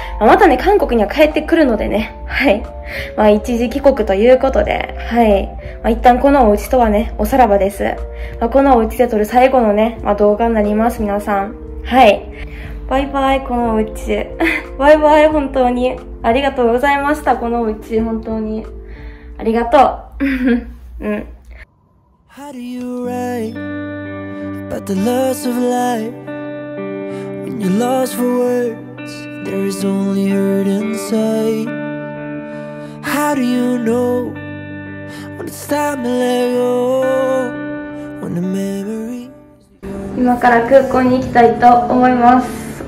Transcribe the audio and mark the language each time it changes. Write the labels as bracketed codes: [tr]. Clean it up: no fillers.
[ja] まあ、またね、韓国には帰ってくるのでね。はい。まあ、一時帰国ということで。はい。まあ、一旦このお家とはね、おさらばです。まあ、このお家で撮る最後のね、まあ、動画になります、皆さん。はい。バイバイ、このお家。バイバイ、本当に。ありがとうございました、このお家、本当に。ありがとう。うん。 [en] How do you write about the loss of life? When you're lost for words, there is only hurt inside. How do you know when it's time to let go? When the memory. [ja] 今から空港に行きたいと思います。